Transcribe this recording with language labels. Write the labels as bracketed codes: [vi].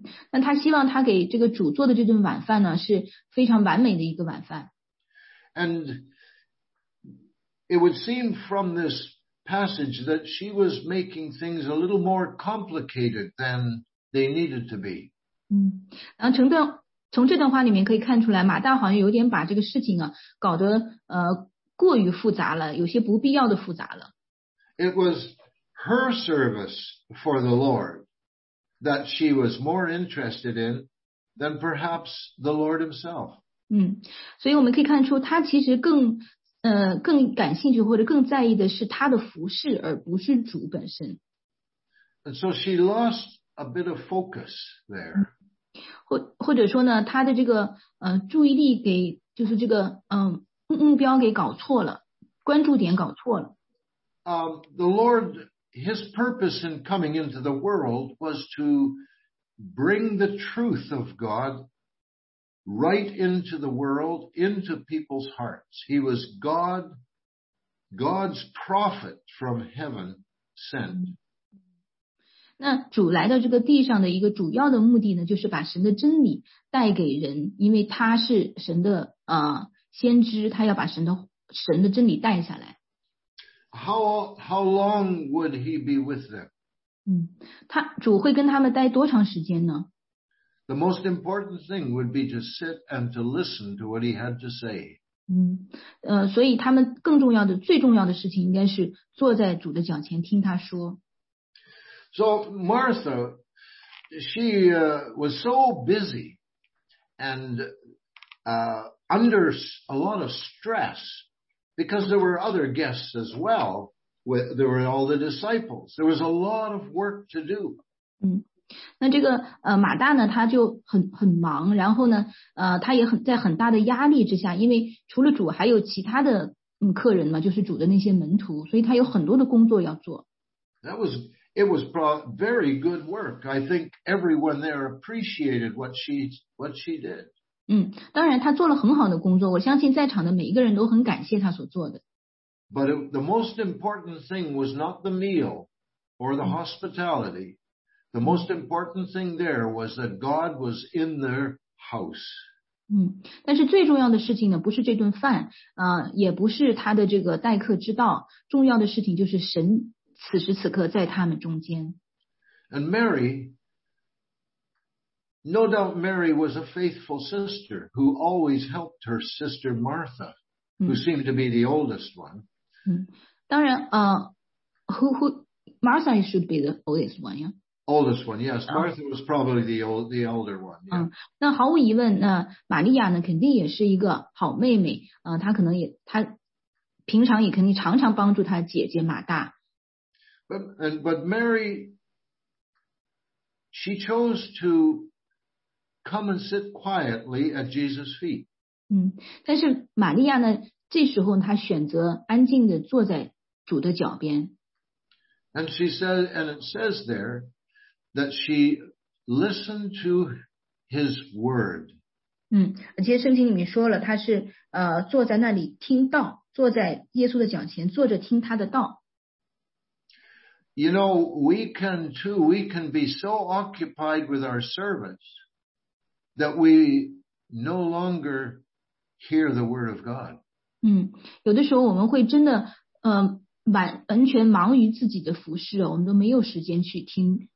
[zh] 那她希望她给这个主做的这顿晚饭呢，是非常完美的一个晚饭。 [en] And it would seem from this passage that she was making things a little more complicated than they needed to be. [zh] 然后从这段话里面可以看出来，马大好像有点把这个事情啊搞得过于复杂了，有些不必要的复杂了。 [en] It was her service for the Lord that she was more interested in than perhaps the Lord himself. [zh] 所以我们可以看出她其实更感兴趣或者更在意的是他的服侍，而不是主本身。 [en] And so she lost a bit of focus there. [zh] 或者说呢，他的这个注意力给就是这个目标给搞错了，关注点搞错了。 [en] The Lord, his purpose in coming into the world was to bring the truth of God. Right into the world, into people's hearts. He was God's prophet from heaven sent. [zh] 那主来到这个地上的一个主要的目的呢，就是把神的真理带给人，因为他是神的先知，他要把神的真理带下来。 [en] How long would he be with them? [zh] 他主会跟他们待多长时间呢？ [en] The most important thing would be to sit and to listen to what he had to say. [zh] 所以他们更重要的最重要的事情应该是坐在主的脚前听他说。 [en] So Martha, she was so busy and under a lot of stress because there were other guests as well. There were all the disciples. There was a lot of work to do. [zh] 那这个马大呢他就很忙然后呢他也在很大的压力之下因为除了主还有其他的客人嘛就是主的那些门徒所以他有很多的工作要做。 [en] It was very good work. I think everyone there appreciated what she did. [zh] 当然他做了很好的工作我相信在场的每一个人都很感谢他所做的。 [en] But the most important thing was not the meal or the hospitality. The most important thing there was that God was in their house. [zh] 但是最重要的事情呢不是这顿饭也不是他的这个待客之道重要的事情就是神此时此刻在他们中间。 [en] And Mary, no doubt Mary was a faithful sister who always helped her sister Martha, who seemed to be the oldest one. [zh] 当然 [en] who Martha should be the oldest one, yeah? Oldest one, yes. Martha was probably the elder one. Yeah. [zh] 那毫无疑问，那玛利亚呢，肯定也是一个好妹妹。她可能也，她平常也肯定常常帮助她姐姐马大。 [en] But Mary, she chose to come and sit quietly at Jesus' feet. [zh] 但是玛利亚呢，这时候她选择安静的坐在主的脚边。 [en] And she said, and it says there. That she listened to his word. [zh] 而且圣经里面说了，他是坐在那里听道，坐在耶稣的脚前，坐着听他的道。 [en] You know, we can too. We can be so occupied with our service that we no longer hear the word of God. [zh] 有的时候我们会真的完全忙于自己的服事，我们都没有时间去听。